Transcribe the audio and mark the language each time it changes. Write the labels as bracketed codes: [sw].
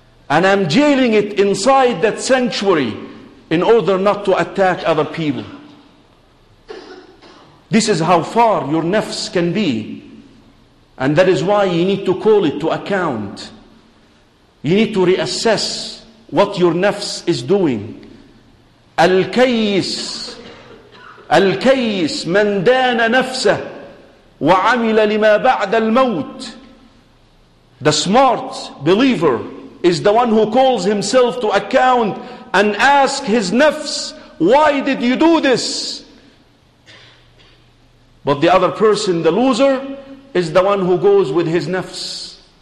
[en] And I'm jailing it inside that sanctuary in order not to attack other people. This is how far your nafs can be. And that is why you need to call it to account. You need to reassess what your nafs is doing. [ar] الكيس الكيس من دان نفسه وعمل لما بعد الموت. [en] The smart believer is the one who calls himself to account and ask his nafs, why did you do this? But the other person, the loser, is the one who goes with his nafs.